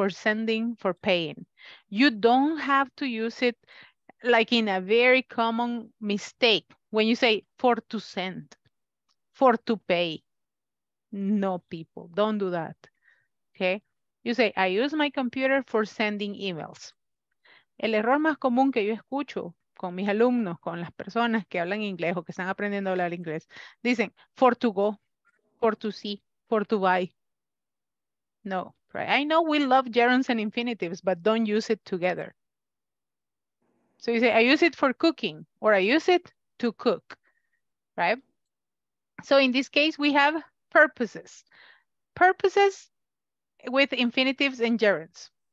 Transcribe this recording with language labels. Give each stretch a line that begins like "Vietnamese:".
English: For sending, for paying. You don't have to use it like in a very common mistake when you say for to send, for to pay. No, people, don't do that, okay? You say, I use my computer for sending emails.
Spanish: El error más común que yo escucho con mis alumnos, con las personas que hablan inglés o que están aprendiendo a hablar inglés, dicen,
English: for to go, for to see, for to buy. No, right? I know we love gerunds and infinitives, but don't use it together. So you say, I use it for cooking, or I use it to cook, right? So in this case, we have purposes. Purposes with infinitives and gerunds.